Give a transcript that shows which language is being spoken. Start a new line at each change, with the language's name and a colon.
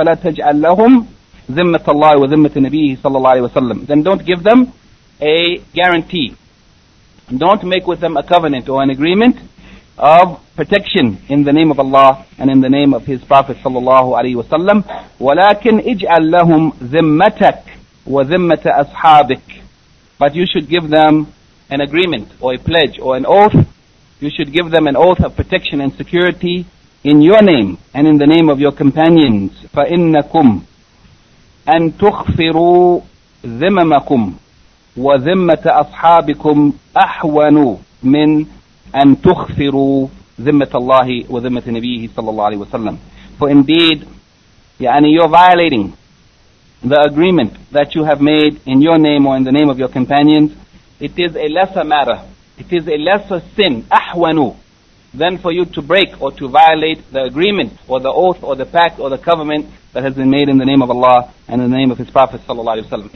Arabic: فَلَا تَجْعَلْ لَهُمْ ذِمَّةَ اللَّهِ وَذِمَّةِ النَّبِيِّ صلى الله عليه وسلم.
English: Then don't give them a guarantee. Don't make with them a covenant or an agreement of protection in the name of Allah and in the name of His Prophet sallallahu alaihi wasallam.
Arabic: ولكن اجعل لهم ذمتك وذمة أصحابك.
English: But you should give them an agreement or a pledge or an oath. You should give them an oath of protection and security in your name and in the name of your companions.
Arabic: فإنكم أن تخفروا ذممكم وذمة أصحابكم أحون من أن تخفروا ذمة الله وذمة نبيه صلى الله عليه وسلم.
English: For indeed, يعني you're violating the agreement that you have made in your name or in the name of your companions. It is a lesser matter. It is a lesser sin, أحون, than for you to break or to violate the agreement or the oath or the pact or the covenant that has been made in the name of Allah and in the name of His Prophet صلى الله عليه وسلم.